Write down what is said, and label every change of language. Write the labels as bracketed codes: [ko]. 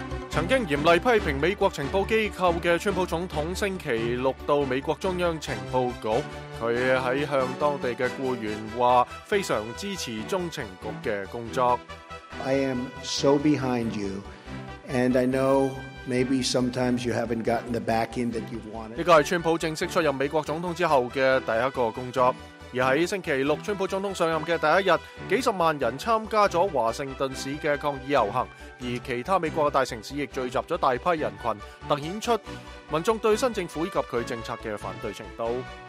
[zh] 曾经严厉批评美国情报机构的川普总统星期六到美国中央情报局，他在向当地的雇员说非常支持中情局的工作。 [en] I am so behind you, and I know maybe sometimes you haven't gotten the backing that you've wanted. [zh] 这个是川普正式出任美国总统之后的第一个工作。而在星期六川普总统上任的第一日，几十万人参加了华盛顿市的抗议游行，而其他美国的大城市亦聚集了大批人群，凸显出民众对新政府以及其政策的反对程度。